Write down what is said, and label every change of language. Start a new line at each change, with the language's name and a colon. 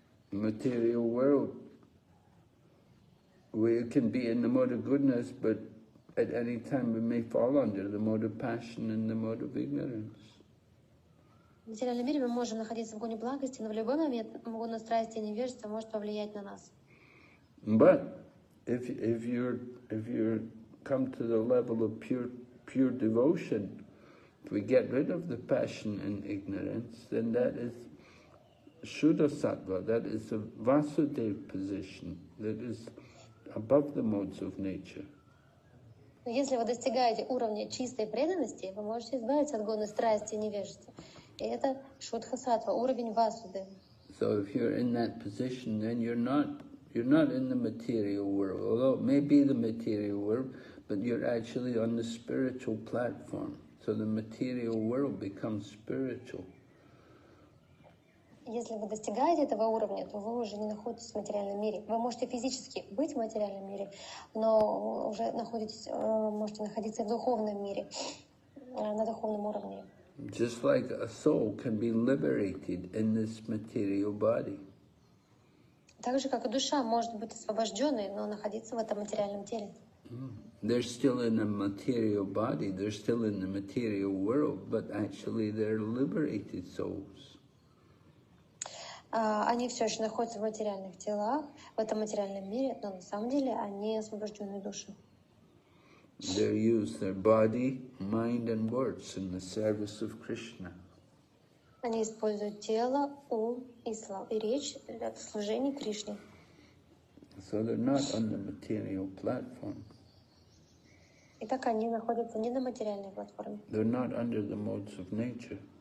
English: Material world, we can be in the mode of goodness, but at any time we may fall under the mode of passion and the mode of ignorance.
Russian: В материальном мире мы можем находиться в гуне благости, но в любой момент гуна страсти и невежества может повлиять на нас.
English: But if you're come to the level of pure devotion, if we get rid of the passion and ignorance, then that is Shuddha Sattva, that is a Vasudev position, that is above the modes of nature.
Russian: Если вы достигаете уровня чистой преданности, вы можете избавиться от гуны страсти и невежества. И это Шудха Сатва, уровень Васудева.
English: So if you're in that position, then you're not in the material world, although it may be the material world, but you're actually on the spiritual platform. So the material world becomes spiritual.
Russian: Если вы достигаете этого уровня, то вы уже не находитесь в материальном мире. Вы можете физически быть в материальном мире, но уже можете находиться в духовном мире, на духовном уровне.
English: Just like a soul can be liberated in this material body.
Russian: Так же, как и душа может быть освобожденной, но находиться в этом материальном теле.
English: They're still in a material body, they're still in the material world, but actually they're liberated souls.
Russian: Они все еще находятся в материальных телах, в этом материальном мире, но на самом деле они освобожденные души.
English: They use their body, mind and words in the service of Krishna.
Russian: Они используют тело, ум и слова, и речь для служения Кришне.
English: So they're not on the material platform.
Russian: Итак, они находятся не на материальной платформе.
English: They're not under the modes of nature.